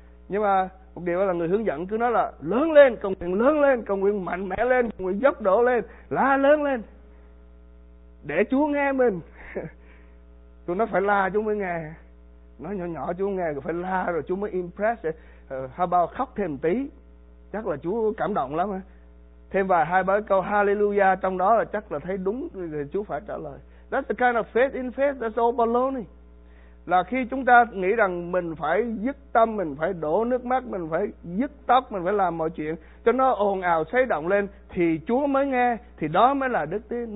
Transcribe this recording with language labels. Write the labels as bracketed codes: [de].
[vi] Nhưng mà một điều là người hướng dẫn cứ nói là lớn lên, cầu nguyện lớn lên, cầu nguyện mạnh mẽ lên, cầu nguyện dốc độ lên, la lớn lên. Để Chúa nghe mình. Tôi nói phải la Chúa mới nghe. Nói nhỏ nhỏ Chúa nghe rồi phải la rồi Chúa mới impress. [en] How about [vi] khóc thêm tí. Chắc là Chúa cảm động lắm hả? Thêm vài hai ba câu hallelujah trong đó là chắc là thấy đúng thì Chúa phải trả lời. [en] That's the kind of faith in faith, that's all baloney. [vi] Là khi chúng ta nghĩ rằng mình phải dứt tâm, mình phải đổ nước mắt, mình phải dứt tóc, mình phải làm mọi chuyện cho nó ồn ào xây động lên thì Chúa mới nghe, thì đó mới là đức tin.